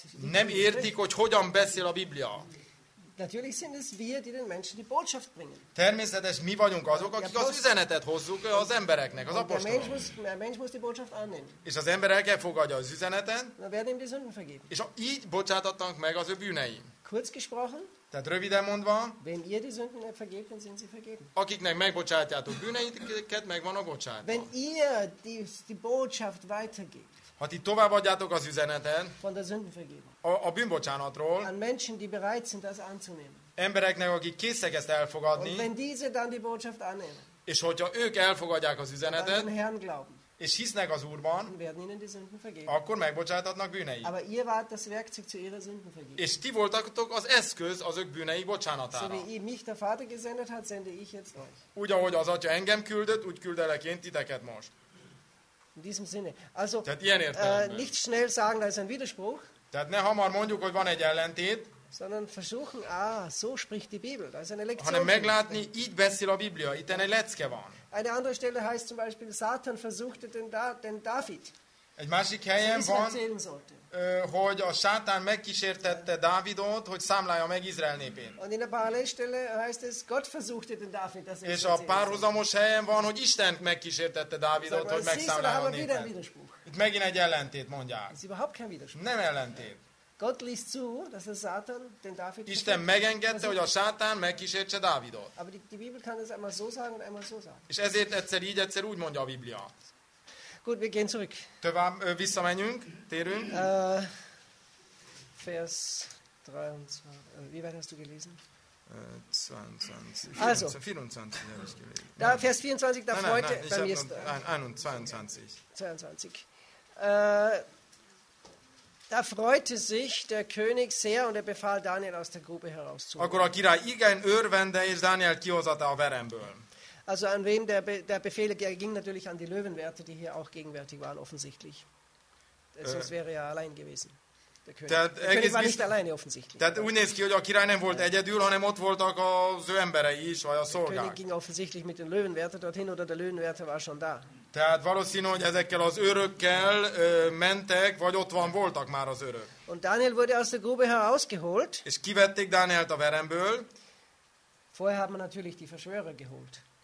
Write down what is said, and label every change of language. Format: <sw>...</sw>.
<hu>Nem értik, hogy hogyan beszél a Biblia.</hu> <de>Natürlich sind es wir, die den Menschen die Botschaft bringen.</de> <hu>Természetes mi vagyunk azok, akik az üzenetet hozzuk az embereknek, az apostolok.</hu> <de>Der Mensch muss die Botschaft annehmen.</de> <hu>És az ember el kell fogadja az üzenetet.</hu> <de>Na, werden ihm die Sünden vergeben.</de> <hu>És így bocsátattak meg az ő bűneim.</hu> <de>Kurz gesprochen.</de> <hu>Tehát röviden mondva.</hu> <de>Wenn ihr die Sünden vergebt, dann sind sie vergeben.</de> <hu>Akiknek megbocsátjátok bűneiket, megvan a bocsánat.</hu> <de>Wenn ihr die Botschaft weitergebt.</de> <hu>Ha ti továbbadjátok az üzenetet.</hu> <de>Von der Sündenvergebung.</de> <hu>A bűnbocsánatról.</hu> <de>An Menschen, die bereit sind, das anzunehmen.</de> <hu>Embereknek, akik készek ezt elfogadni.</hu> <de>Und wenn diese dann die Botschaft annehmen.</de> <hu>És hogyha ők elfogadják az üzenetet.</hu> <de>Dann den Herrn glauben.</de> <hu>És hisznek az Úrban.</hu> <de>Dann werden ihnen die Sünden vergeben.</de> <hu>Akkor megbocsátatnak bűneit.</hu> <de>Aber ihr wart das Werkzeug zu ihrer Sündenvergebung.</de> <hu>És ti voltatok az eszköz az ők bűnei bocsánatára.</hu> <de>So wie ihr mich der Vater gesendet hat, sende ich jetzt euch.</de> <hu>Úgy, ahogy az Atya engem küldött, úgy küldelek én titeket most.</hu> <de>In diesem Sinne. Also, nicht schnell sagen, da ist ein Widerspruch.</de> <hu>Tehát ne hamar mondjuk, hogy van egy ellentét.</hu> <de>Sondern versuchen, ah, so spricht die Bibel. Da ist eine Lektion.</de> <hu>Hanem meglátni, így beszél a Biblia. Itt egy lecke van.</hu> <de>Eine andere Stelle heißt zum Beispiel, Satan versuchte den David.</de> <hu>Egy másik helyen van, hogy a Sátán megkísértette Dávidot, hogy számlálja meg Izrael népét. Und in der Parallelstelle heißt es, Gott versuchte den David. És a párhuzamos helyen van, hogy Isten megkísértette Dávidot, hogy megszámlálja a népét. Itt megint egy ellentét mondják.</hu> <de>Ist überhaupt kein Widerspruch.</de> <hu>Nem ellentét.</hu> <de>Gott liest zu, dass der Satan den David.</de> <hu>Isten megengedte, hogy a Sátán megkísértse Dávidot.</hu> <de>Aber die Bibel kann das einmal so sagen und einmal so sagen.</de> <hu>És ezért egyszer így, egyszer úgy mondja a Biblia.</hu> <de>Gut, wir gehen zurück.</de> <hu>Tovább, visszamenjünk, térünk.</hu> <de>Vers 23. Wie weit hast du gelesen? 22. Also, 24 habe ich gelesen. Da, Vers 24, da freut er bei mir. Nein, 22. 22. Da freute sich der König sehr und er befahl Daniel aus der Grube herauszuholen.</de> <hu>Akkor a király igen örvende, és Daniel kihozata a veremből.</hu> <de>Also an wem der Befehl ging natürlich an die Löwenwärter, die hier auch gegenwärtig waren offensichtlich. Sonst wäre er ja allein gewesen. Der König war nicht alleine offensichtlich.</de> <hu>Tehát úgy néz ki, hogy a király nem volt egyedül, hanem ott voltak az ő emberei is, vagy a szolgák.</hu> <de>Der König ging offensichtlich mit den Löwenwärter dorthin oder der Löwenwärter war schon da.</de> <hu>Tehát valószínű, hogy ezekkel az örökkel mentek, vagy ott van voltak már az örök.</hu> <de>Und Daniel wurde aus der Grube herausgeholt.</de> <hu>És kivették Dánielt a veremből.</hu> <de>Vorher hat man natürlich die Verschwörer geholt.</de>